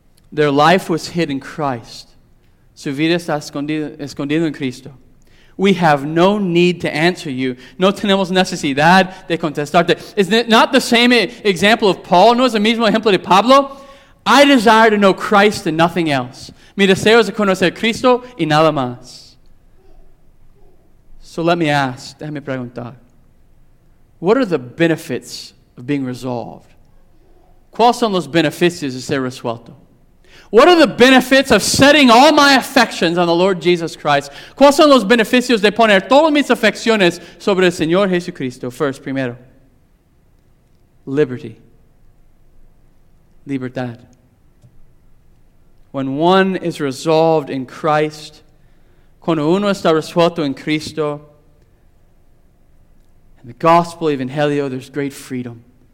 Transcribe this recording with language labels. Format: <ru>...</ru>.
<en>Their life was hid in Christ.</en> <es>Su vida está escondida en Cristo.</es> <en>We have no need to answer you.</en> <es>No tenemos necesidad de contestarte.</es> <en>Is it not the same example of Paul?</en> <es>No es el mismo ejemplo de Pablo?</es> <en>I desire to know Christ and nothing else.</en> <es>Mi deseo es conocer Cristo y nada más.</es> <en>So let me ask,</en> <es>déjame preguntar.</es> <en>What are the benefits of being resolved?</en> <es>¿Cuáles son los beneficios de ser resuelto?</es> <en>What are the benefits of setting all my affections on the Lord Jesus Christ?</en> <es>¿Cuáles son los beneficios de poner todas mis afecciones sobre el Señor Jesucristo?</es> <en>First,</en> <es>primero,</es> <en>liberty.</en> <es>Libertad.</es> <en>When one is resolved in Christ,</en> <es>cuando uno está resuelto en Cristo,</es> <en>in the gospel,</en> <es>evangelio,</es> <en>there's great freedom.</en>